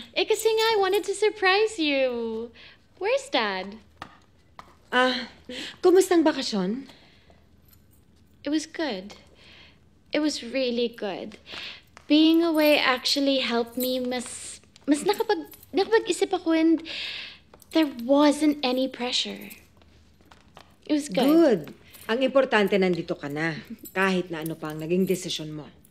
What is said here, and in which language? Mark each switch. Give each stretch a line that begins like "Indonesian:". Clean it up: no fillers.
English: Eh,
Filipino: kasi nga,
English: I wanted to surprise you. Where's Dad?
Filipino: Ah, kumusta ang bakasyon?
English: It was good. It was really good. Being away actually helped me
Filipino: mas nakapag-isip ako
English: and there wasn't any pressure. It was good.
Filipino: Good. Ang importante, nandito ka na. Kahit na ano pa ang naging desisyon mo.